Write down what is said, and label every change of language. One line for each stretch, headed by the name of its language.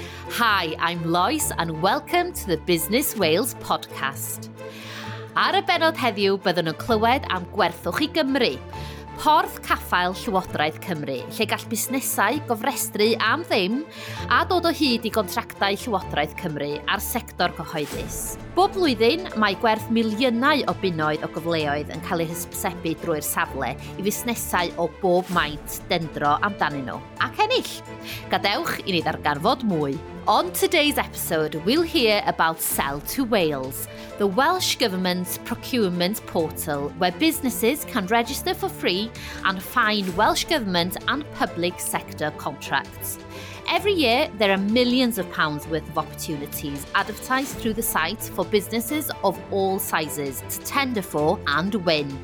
English: Hi, I'm Lois and welcome to the Business Wales podcast.
Welsh: Ar y bennod heddiw byddwn yn clywed am GwerthwchiGymru, Porth, caffael, Llywodraeth Cymru, lle gall busnesau gofrestru am ddim a dod o hyd I gontractau Llywodraeth Cymru ar sector cyhoeddus. Bob blwyddyn, mae gwerth miliynau o bunnoedd o gyfleoedd yn cael eu hysbysebu drwy'r safle I fusnesau o bob maint, dendro, amdanynt nhw. Ac ennill, gadewch I ni ddarganfod mwy.
English: On today's episode, we'll hear about Sell to Wales, the Welsh Government's procurement portal where businesses can register for free and find Welsh Government and Public sector contracts. Every year, there are millions of pounds worth of opportunities advertised through the site for businesses of all sizes to tender for and win.